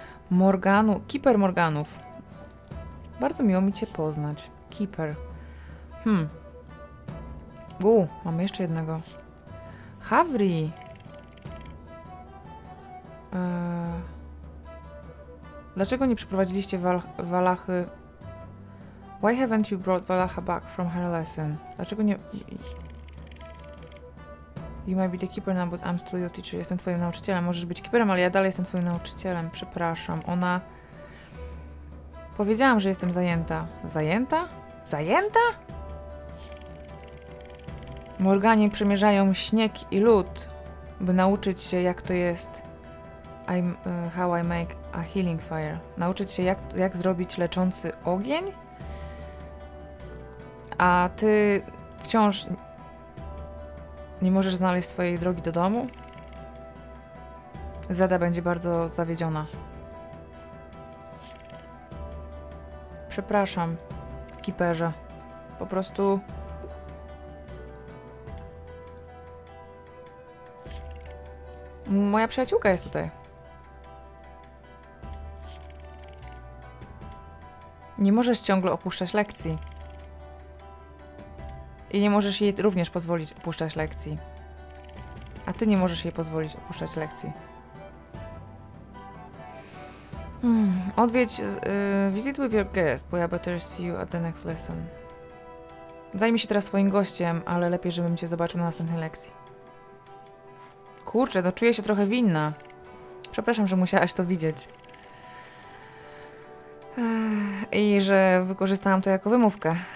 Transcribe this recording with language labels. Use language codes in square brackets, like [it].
[pl] Morganu, keeper Morganów. Bardzo miło mi cię poznać. Keeper. Mam jeszcze jednego. Havri. Dlaczego nie przyprowadziliście Walachy? [en] Why haven't you brought Valacha back from her lesson? [pl] Dlaczego nie... [en] You might be the keeper now, but I'm still your teacher. [pl] Jestem twoim nauczycielem. Możesz być keeperem, ale ja dalej jestem twoim nauczycielem. Przepraszam. Ona... Powiedziałam, że jestem zajęta. Zajęta? Zajęta? Morgani przemierzają śnieg i lód, by nauczyć się, jak to jest... [en] how I make a healing fire. [pl] Nauczyć się, jak zrobić leczący ogień? A ty wciąż... Nie możesz znaleźć swojej drogi do domu? Zada będzie bardzo zawiedziona. Przepraszam, kiperze. Po prostu... Moja przyjaciółka jest tutaj. Nie możesz ciągle opuszczać lekcji. I nie możesz jej również pozwolić opuszczać lekcji. A ty nie możesz jej pozwolić opuszczać lekcji. Odwiedź [en] visit with your guest, [pl] bo ja [en] better see you at the next lesson. [pl] Zajmij się teraz swoim gościem, ale lepiej, żebym cię zobaczył na następnej lekcji. Kurczę, no czuję się trochę winna. Przepraszam, że musiałaś to widzieć. I że wykorzystałam to jako wymówkę.